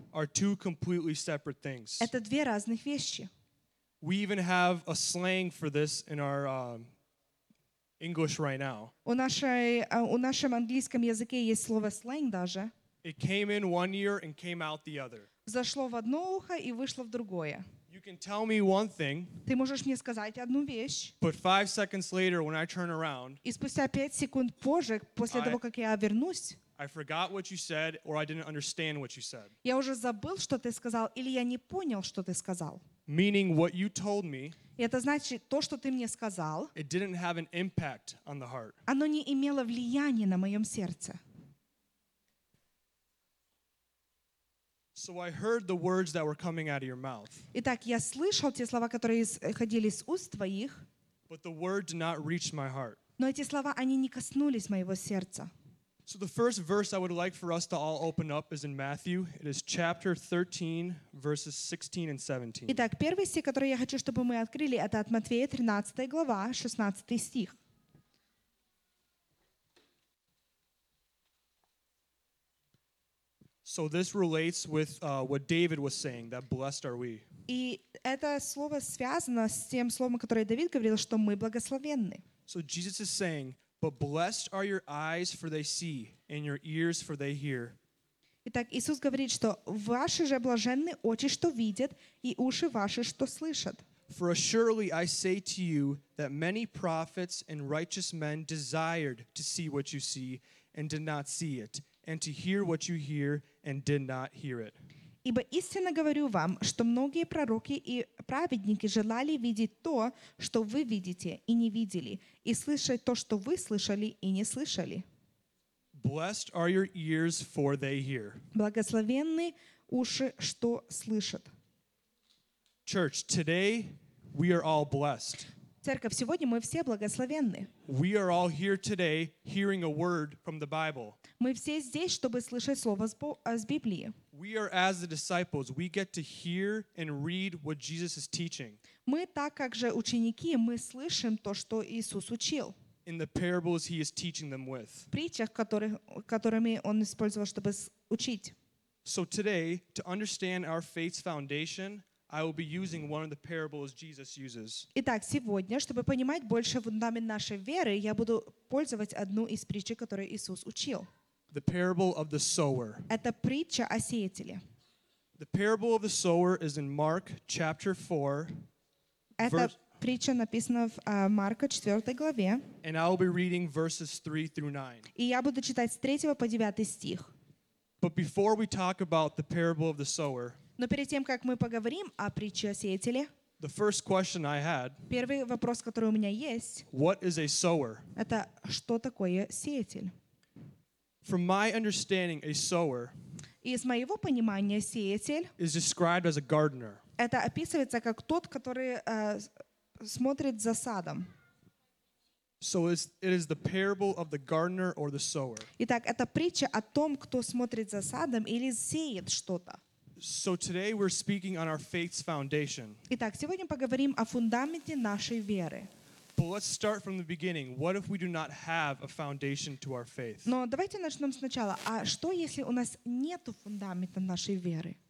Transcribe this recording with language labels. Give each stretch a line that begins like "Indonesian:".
English: are two completely separate things.
Russian: Это две разных вещи.
English: We even have a slang for this in our English right now.
Russian: У нашем английском языке есть слово slang даже.
English: It came in one ear and came out the other.
Russian: Зашло в одно ухо и вышло в другое.
English: You can tell me one thing.
Russian: Ты можешь мне сказать одну вещь.
English: But 5 seconds later, when I turn around,
Russian: и спустя 5 секунд позже, после того как я вернусь,
English: I forgot what you said, or I didn't understand what you said.
Russian: Я уже забыл, что ты сказал, или я не понял, что ты сказал.
English: Meaning what you told me.
Russian: И это значит то, что ты мне сказал.
English: It didn't have an impact on the heart.
Russian: Оно не имело влияния на моем сердце.
English: So I heard the words that were coming out of your mouth.
Russian: Итак, я слышал те слова, которые исходили из уст твоих.
English: But the word did not reach my heart.
Russian: Но эти слова, они не коснулись моего сердца.
English: So the first verse I would like for us to all open up is in Matthew. It is chapter 13, verses 16 and 17.
Russian: Итак, первый стих, который я хочу, чтобы мы открыли, это от Матфея, 13 глава, 16 стих.
English: So this relates with what David was saying, that blessed are we.
Russian: И это слово связано с тем словом, которое Давид говорил, что мы благословенны.
English: So Jesus is saying, but blessed are your eyes for they see, and your ears for they hear.
Russian: Итак, Иисус говорит, что ваши же блаженны очи, что видят, и уши ваши, что слышат.
English: For assuredly I say to you that many prophets and righteous men desired to see what you see and did not see it. And to hear what you hear and did not hear it.
Russian: Ибо истинно говорю вам, что многие пророки и праведники желали видеть то, что вы видите и не видели, и слышать то, что вы слышали и не слышали.
English: Blessed are your ears, for they hear.
Russian: Благословенны уши, что слышат.
English: Church, today we are all blessed.
Russian: Церковь, сегодня мы все благословенны.
English: We are all here today hearing a word from the Bible.
Russian: Мы все здесь, чтобы слышать слово из Библии.
English: We are as the disciples. We get to hear and read what Jesus is teaching.
Russian: Мы так как же ученики, мы слышим то, что Иисус учил.
English: In the parables he is teaching them with.
Russian: В притчах, которыми он использовал, чтобы учить.
English: So today, to understand our faith's foundation, I will be using one of the parables Jesus uses.
Russian: Итак, сегодня, чтобы понимать больше фундамент нашей веры, я буду пользоваться одну из притч, которые Иисус учил.
English: The parable of the sower.
Russian: Это притча о сеятеле.
English: The parable of the sower is in Mark chapter 4.
Russian: Эта притча написана в Марка 4 главе.
English: And I will be reading verses 3 through 9.
Russian: И я буду читать с 3 по 9 стих.
English: But before we talk about the parable of the sower,
Russian: но перед тем, как мы поговорим о притче о сеятеле,
English: the first question I had,
Russian: первый вопрос, который у меня есть,
English: what is a sower?
Russian: Это что такое сеятель?
English: From my understanding, a sower,
Russian: из моего понимания, сеятель
English: is described as a gardener.
Russian: Это описывается как тот, который смотрит за садом.
English: So it is the parable of the gardener or the sower.
Russian: Итак, это притча о том, кто смотрит за садом или сеет что-то.
English: So today we're speaking on our faith's foundation.
Russian: Итак, сегодня поговорим о фундаменте нашей веры.
English: But let's start from the beginning. What if we do not have a foundation to our faith?
Russian: Но давайте начнем сначала. А что, если у нас нету фундамента нашей веры?